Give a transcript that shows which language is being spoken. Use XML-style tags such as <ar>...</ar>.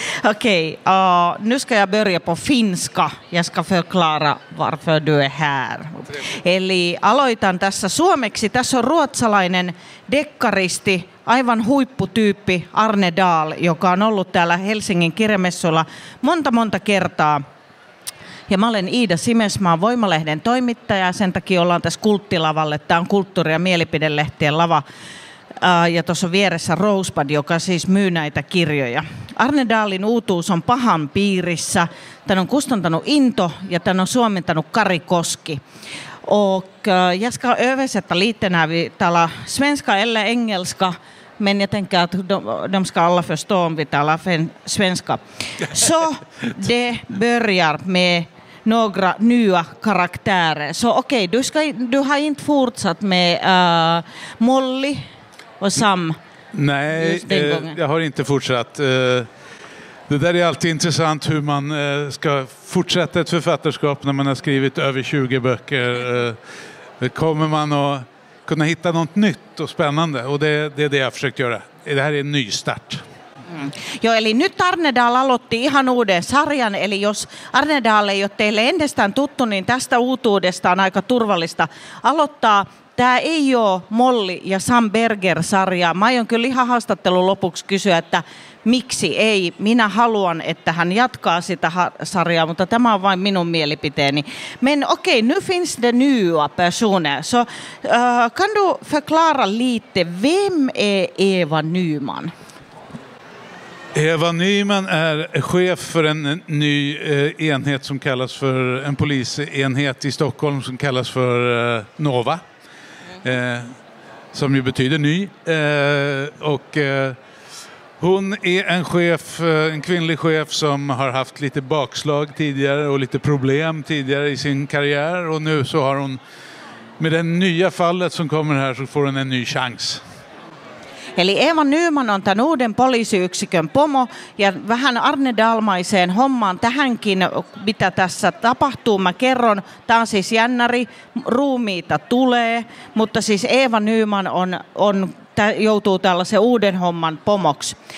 <sv>Okej, nu ska jag börja på finska. Jag ska förklara varför du är här.</sv> <fi>Eli aloitan tässä suomeksi. Tässä on ruotsalainen dekkaristi, aivan huipputyyppi Arne Dahl, joka on ollut täällä Helsingin kirjamessuilla monta kertaa. Ja mä olen Iida Simesmaa, Voimalehden toimittaja. Sen takia ollaan tässä kulttilavalle. Tämä on kulttuuri- ja mielipidelehtien lava. Ja tuossa vieressä Rosebud, joka siis myy näitä kirjoja. Arne Dahlin uutuus on pahan piirissä. Tän on kustantanut Into ja tän on suomentanut Kari Koski.</fi> <sv>Och jag ska översätta lite när vi talar svenska eller engelska. Men jag tänker att de ska alla förstå om vi talar svenska. Så det börjar med några nya karaktärer. Så okej, du har inte fortsatt med Molly och Sam. Nej, jag har inte fortsatt. Det där är alltid intressant hur man ska fortsätta ett författarskap när man har skrivit över 20 böcker. Kommer man att kunna hitta något nytt och spännande? Och det är det jag försökt göra. Det här är en ny start. Mm.</sv> <fi>Joo, eli nyt Arne Dahl aloitti ihan uuden sarjan, eli jos Arne Dahl ei ole teille ennestään tuttu, niin tästä uutuudesta on aika turvallista aloittaa. Tämä ei ole Molly ja Sam Berger-sarja. Mä aion kyllä ihan haastattelun lopuksi kysyä, että miksi ei. Minä haluan, että hän jatkaa sitä sarjaa, mutta tämä on vain minun mielipiteeni.</fi> <sv>Men okej, nu finns det nya personer. Så, kan du förklara lite, vem är Eva Nyman? Eva Nyman är chef för en ny enhet som kallas för en polisenhet i Stockholm som kallas för Nova. Som ju betyder ny. Och hon är en chef, en kvinnlig chef som har haft lite bakslag tidigare och lite problem tidigare i sin karriär. Och nu så har hon, med det nya fallet som kommer här, så får hon en ny chans.</sv> <fi>Eli Eva Nyman on tämän uuden poliisiyksikön pomo ja vähän Arne Dahl-maiseen hommaan tähänkin, mitä tässä tapahtuu. Mä kerron, tämä on siis jännäri, ruumiita tulee, mutta siis Eva Nyman joutuu tällaisen uuden homman pomoksi.</fi>